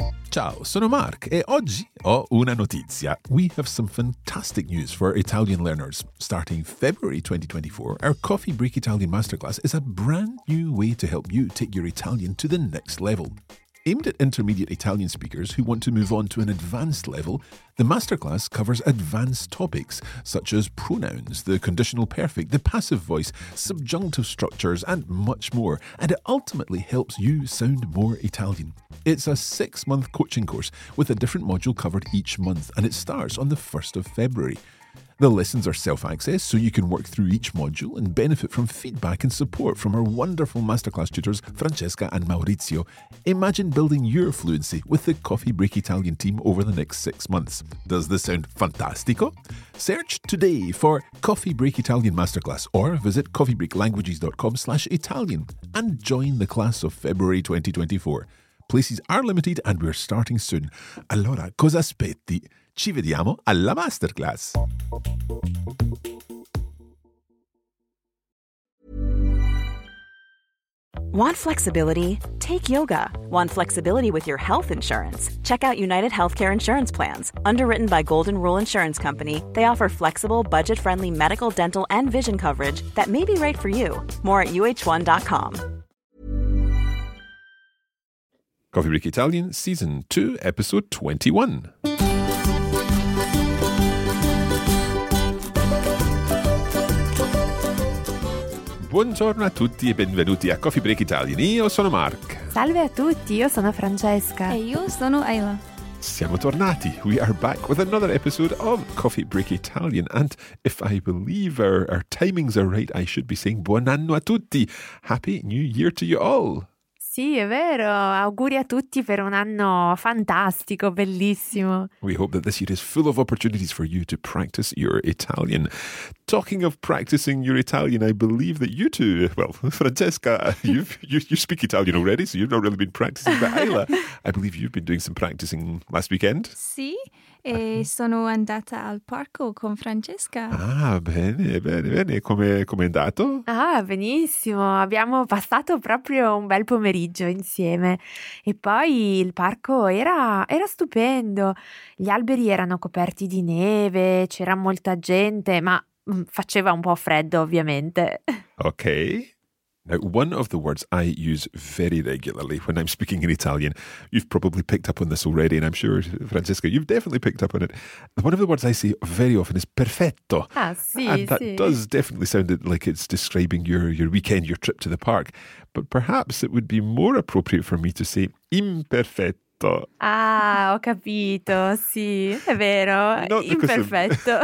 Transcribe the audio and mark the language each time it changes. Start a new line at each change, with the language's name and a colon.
Italian: Ciao, sono Mark e oggi ho una notizia.
English: We have some fantastic news for Italian learners. Starting February 2024, our Coffee Break Italian Masterclass is a brand new way to help you take your Italian to the next level. Aimed at intermediate Italian speakers who want to move on to an advanced level, the masterclass covers advanced topics such as pronouns, the conditional perfect, the passive voice, subjunctive structures, and much more, and it ultimately helps you sound more Italian. It's a six-month coaching course with a different module covered each month, and it starts on the 1st of February. The lessons are self-access, so you can work through each module and benefit from feedback and support from our wonderful masterclass tutors, Francesca and Maurizio. Imagine building your fluency with the Coffee Break Italian team over the next 6 months. Does this sound fantastico? Search today for Coffee Break Italian Masterclass or visit coffeebreaklanguages.com/Italian and join the class of February 2024. Places are limited and we're starting soon.
Italian: Allora, cosa aspetti? Ci vediamo alla masterclass.
English: Want flexibility? Take yoga. Want flexibility with your health insurance? Check out United Healthcare Insurance Plans. Underwritten by Golden Rule Insurance Company, they offer flexible, budget-friendly medical, dental, and vision coverage that may be right for you. More at uh1.com. Coffee Break Italian, Season 2, Episode 21.
Italian: Buongiorno a tutti e benvenuti a Coffee Break Italian. Io sono Mark. Salve a tutti, io sono Francesca. E io sono Ayla. Siamo tornati.
English: We are back with another episode of Coffee Break Italian. And if I believe our timings are right, I should be saying
Italian: buon anno a tutti.
English: Happy New Year to you all.
Italian: Sì, è vero. Auguri a tutti per un anno fantastico, bellissimo.
English: We hope that this year is full of opportunities for you to practice your Italian. Talking of practicing your Italian, I believe that you two, well, Francesca, you speak Italian already, so you've not really been practicing, but Ayla, I believe you've been doing some practicing last weekend.
Italian: Sì, e sono andata al parco con Francesca. Ah, bene, bene, bene. Come è andato? Ah, benissimo. Abbiamo passato proprio un bel pomeriggio insieme. E poi il parco era stupendo. Gli alberi erano coperti di neve, c'era molta gente, ma faceva un po' freddo, ovviamente. Ok.
English: Now, one of the words I use very regularly when I'm speaking in Italian, you've probably picked up on this already, and I'm sure, Francesca, you've definitely picked up on it. One of the words I say very often is perfetto.
Italian: Ah, sì,
English: and that
Italian: sì.
English: Does definitely sound like it's describing your weekend, your trip to the park. But perhaps it would be more appropriate for me to say imperfetto.
Italian: Ah, ho capito, sì, è vero, imperfetto.